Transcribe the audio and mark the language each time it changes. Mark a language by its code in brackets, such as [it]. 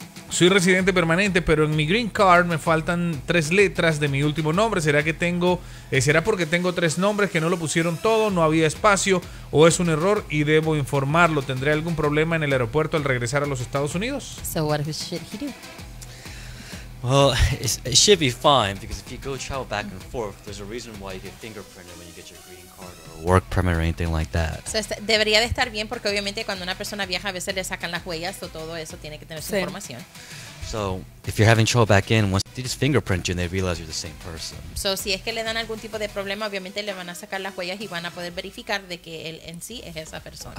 [es] Soy residente permanente, pero en mi green card me faltan 3 letras de mi último nombre. ¿Será porque tengo 3 nombres que no lo pusieron todo? ¿No había espacio? ¿O es un error y debo informarlo? ¿Tendré algún problema en el aeropuerto al regresar a los Estados Unidos? [en] So what should he do? Well, it should be fine because if you go travel back and forth, there's a reason why you get fingerprinted when you get your green card or a work permit or anything like that. [es] So, debería de estar bien porque obviamente cuando una persona viaja a veces le sacan las huellas o todo eso tiene que tener su información. [en] So, if you're having trouble back in, once they just fingerprint you and they realize you're the same person. [es] So, si es que le dan algún tipo de problema, obviamente le van a sacar las huellas y van a poder verificar de que él en sí es esa persona.